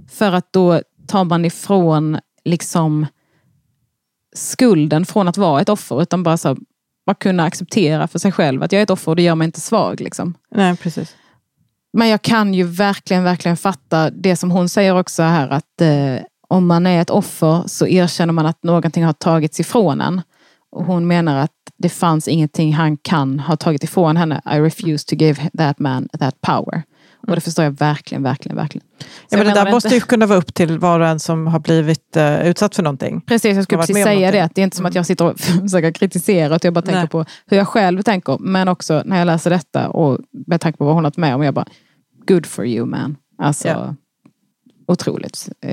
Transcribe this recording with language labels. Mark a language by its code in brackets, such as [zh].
[sv] För att då tar man ifrån liksom skulden från att vara ett offer, utan bara så här, bara kunna acceptera för sig själv att jag är ett offer, och det gör mig inte svag liksom. Nej, precis. Men jag kan ju verkligen, verkligen fatta det som hon säger också här, att om man är ett offer så erkänner man att någonting har tagits ifrån en. Och hon menar att det fanns ingenting han kan ha tagit ifrån henne. [en] I refuse to give that man that power. Mm. [sv] Och det förstår jag verkligen, verkligen, verkligen. Så ja, men det där måste ju kunna vara upp till var och en som har blivit utsatt för någonting. Precis, jag skulle precis säga det. Det är inte som att jag sitter och försöker kritisera, utan jag bara tänker på hur jag själv tänker. Men också när jag läser detta och med tanke på vad hon har med om, jag bara, [en] good for you man. [sv] Alltså, ja. Otroligt.